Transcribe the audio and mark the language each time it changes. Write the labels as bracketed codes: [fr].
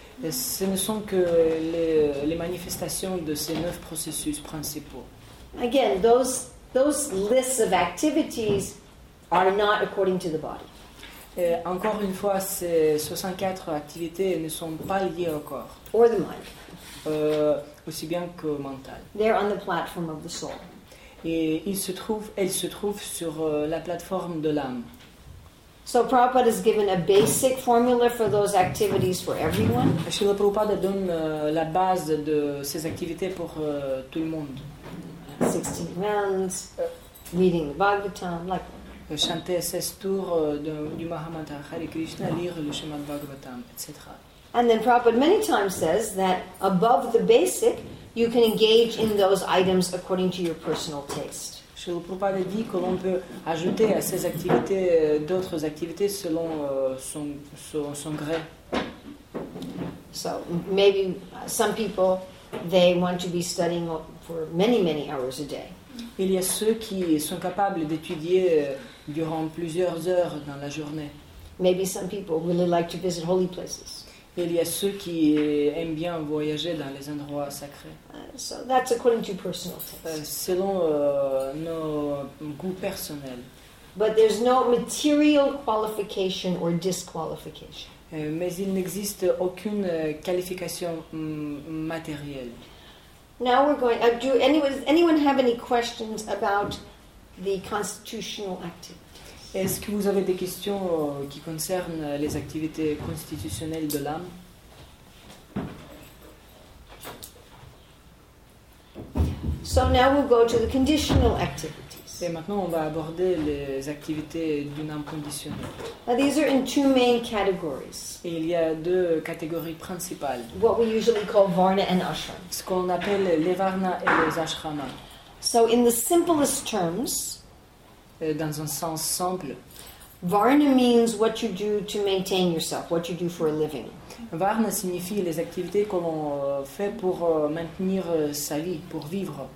[fr] Ce ne sont que les manifestations de ces 9 processus principaux. [en] Again, those lists of activities are not according to the body. [fr] Et encore une fois, ces 64 activités ne sont pas liées au corps. [en] Or the mind. [fr] Aussi bien qu'au mental. [en] They're on the platform of the soul. [fr] Et elles se trouvent sur la plateforme de l'âme. [en] So Prabhupada has given a basic formula for those activities for everyone. [fr] Srila Prabhupada donne la base de ces activités pour tout le monde. [en] 16 rounds, reading the Bhagavatam, like that. [fr] Chanter 16 tours du Mahamantra Hare Krishna, lire le Shrimad Bhagavatam, etc. [en] And then Prabhupada many times says that above the basic, you can engage in those items according to your personal taste. [fr] Srila Prabhupada dit que l'on peut ajouter à ces activités d'autres activités selon son gré. [en] So maybe some people, they want to be studying for many, many hours a day. [fr] Il y a ceux qui sont capables d'étudier durant plusieurs heures dans la journée. [en] Maybe some people really like to visit holy places. [fr] Il y a ceux qui aiment bien voyager dans les endroits sacrés. [en] So that's according to personal taste. [fr] Selon nos goûts personnels. [en] But there's no material qualification or disqualification. [fr] Mais il n'existe aucune qualification matérielle. [en] Now we're going. Does anyone have any questions about the constitutional activities? [fr] Est-ce que vous avez des questions qui concernent les activités constitutionnelles de l'âme? [en] So now we'll go to the conditional activities. [fr] Et maintenant, on va aborder les activités d'une âme conditionnelle. [en] Now these are in two main categories. [fr] Et il y a deux catégories principales. [en] What we usually call varna and ashrama. [fr] Ce qu'on appelle les varna et les ashrama. [en] So in the simplest terms, [fr] dans un sens simple, [en] varna means what you do to maintain yourself, what you do for a living. [fr] Varna signifie les activités que l'on fait pour maintenir sa vie, pour vivre.